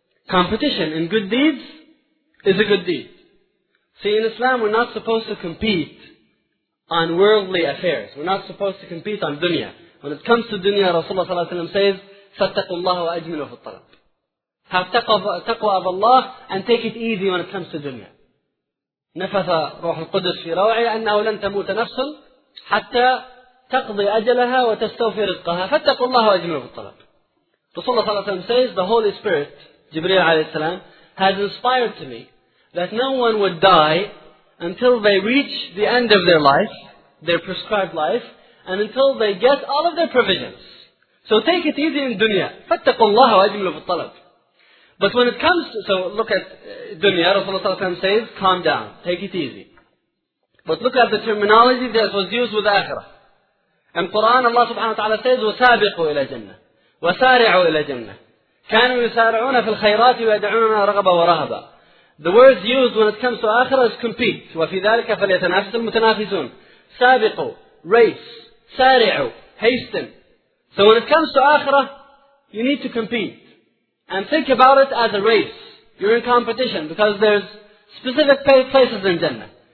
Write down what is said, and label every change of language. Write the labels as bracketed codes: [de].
[en] Competition in good deeds is a good deed. See, in Islam we're not supposed to compete on worldly affairs. We're not supposed to compete on dunya. When it comes to dunya, Rasulullah sallallahu alayhi wa sallam says, [ar] فَاتَّقُوا اللَّهَ وَأَجْمِلُوا فِي الطَّلَبِ. [en] Have taqwa of Allah and take it easy when it comes to dunya. [ar] نفث روح القدس في روعه أنه لن تموت نفس حتى تقضي أجلها وتستوفي رزقها، فاتقوا الله وأجمعوا الطلب. رسول الله صلى الله عليه وسلم [en] says, the Holy Spirit, [ar] جبريل عليه السلام, [en] has inspired to me that no one would die until they reach the end of their life, their prescribed life, and until they get all of their provisions. So take it easy in dunya. [ar] فَاتَّقُوا اللَّهَ وَأَجْمِلُوا فِي الطَّلَبِ. [en] But when it comes to, so look at dunya, Rasulullah [ar] صلى الله عليه وسلم [en] says, calm down, take it easy. But look at the terminology that was used with akhirah. In Quran, Allah subhanahu wa ta'ala says, [ar] وَسَابِقُوا إِلَى جَنَّةِ وَسَارِعُوا إِلَى جَنَّةِ كَانُوا يُسَارِعُونَ فِي الْخَيْرَاتِ وَيَدْعُونَنَا رَغَبًا وَرَهَبًا. [en] The words used when it comes to akhirah is compete. [ar] وَفِي ذَلِكَ فَلْيَتَنَافِسَ الْمُتَنَافِسُونَ. [en] سَابِقُوا, race, سَارِعُوا, hasten. So when it comes to akhirah, you need to compete. And think about it as a race. You're in competition because there's specific places in Jannah.